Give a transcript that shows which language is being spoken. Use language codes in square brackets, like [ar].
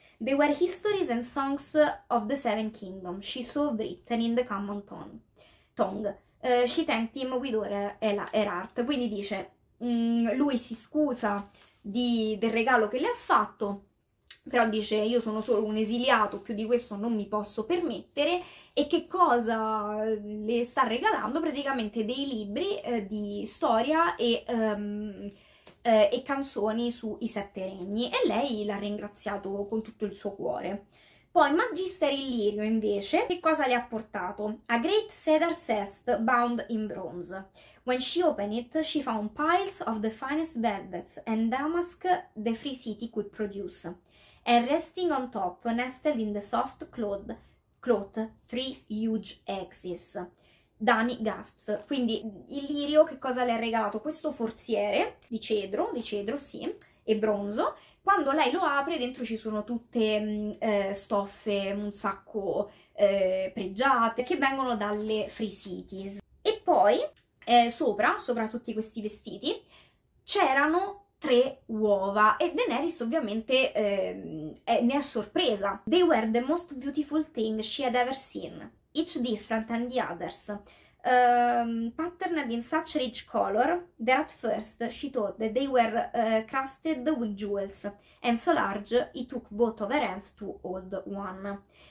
[en] They were histories and songs of the Seven Kingdoms, she saw written in the common tongue. She thanked him with all her heart. [it] Quindi dice, lui si scusa del regalo che le ha fatto. Però dice: io sono solo un esiliato, più di questo non mi posso permettere. E che cosa le sta regalando? Praticamente dei libri di storia e e canzoni sui sette regni e lei l'ha ringraziato con tutto il suo cuore. Poi Magister Illyrio invece, che cosa le ha portato? [en] A great cedar chest bound in bronze. When she opened it, she found piles of the finest velvets and damask the free city could produce. And resting on top, nestled in the soft cloth, three huge axes. Dani gasps. [it] Quindi Illyrio che cosa le ha regalato? Questo forziere di cedro sì, e bronzo. Quando lei lo apre, dentro ci sono tutte stoffe, un sacco pregiate, che vengono dalle Free Cities. E poi, sopra tutti questi vestiti, c'erano tre uova. E Daenerys ovviamente ne è sorpresa. [en] They were the most beautiful thing she had ever seen, each different than the others. Patterned in such rich color that at first she thought that they were crusted with jewels, and so large it took both of her hands to hold one.